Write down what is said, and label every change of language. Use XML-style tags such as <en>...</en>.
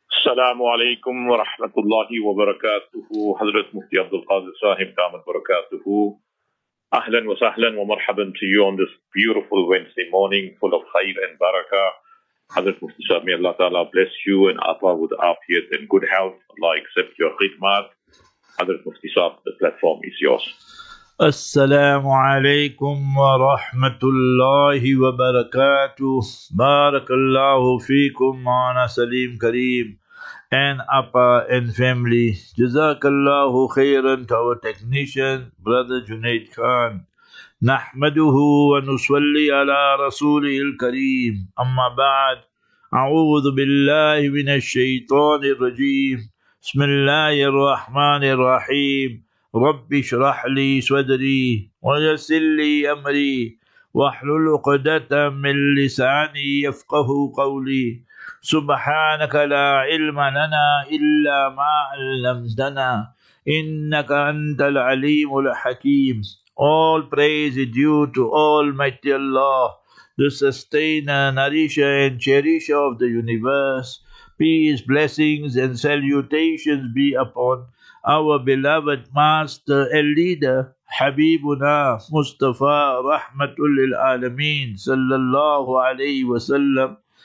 <ar>السلام عليكم ورحمة الله وبركاته. حضرة مفتي عبد القادر صاحب دام البركاته. أهلا وسهلا ومرحبا</ar> <en>to you on this beautiful Wednesday morning full of خير and بركة. حضرة مفتي صاحب may Allah Ta'ala bless you and Atwa with afiyat and good health. Allah accept your khidmat. حضرة مفتي صاحب the platform is yours.</en> <ar>السلام عليكم ورحمة الله وبركاته. بارك الله فيكم معنا سليم كريم</ar> <en>and APA and family.</en> <ar>جزاك الله خيرا</ar> <en>to our technician brother Junaid Khan.</en> <ar>نحمده ونصلي على رسوله الكريم. أما بعد أعوذ بالله من الشيطان الرجيم. بسم الله الرحمن الرحيم. رب اشرح لي صدري ويسر لي امري واحلل عقدة من لساني يفقه قولي سبحانك لا علم لنا الا ما علمتنا انك انت العليم الحكيم.</ar> <en>All praise is due to Almighty Allah, the sustainer, nourisher and cherisher of the universe. Peace, blessings and salutations be upon our beloved master and leader, Habibuna Mustafa Rahmatul Alameen, Sallallahu Alaihi Wasallam.</en>